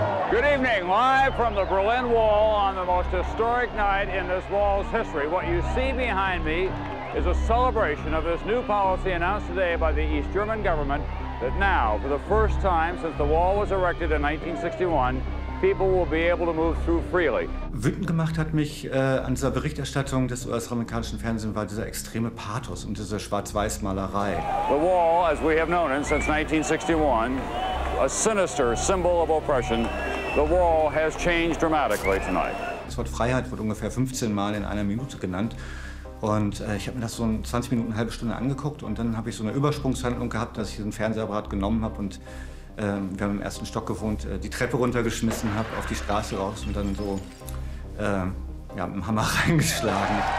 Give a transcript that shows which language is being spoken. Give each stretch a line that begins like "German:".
English: Good evening, live from the Berlin Wall on the most historic night in this wall's history. What you see behind me is a celebration of this new policy announced today by the East German government that now, for the first time since the wall was erected in 1961, people will be able to move through freely.
German: Wütend gemacht hat mich an dieser Berichterstattung des US-amerikanischen Fernsehens war dieser extreme Pathos und diese Schwarz-Weiß-Malerei.
English: The wall, as we have known it since 1961, a sinister symbol of oppression, the wall has changed dramatically tonight.
German: Das Wort Freiheit wurde ungefähr 15 Mal in einer Minute genannt. Und ich habe mir das so 20 Minuten, eine halbe Stunde angeguckt und dann habe ich so eine Übersprungshandlung gehabt, dass ich diesen Fernsehapparat genommen habe und wir haben im ersten Stock gewohnt, die Treppe runtergeschmissen habe, auf die Straße raus und dann so ja, mit dem Hammer reingeschlagen.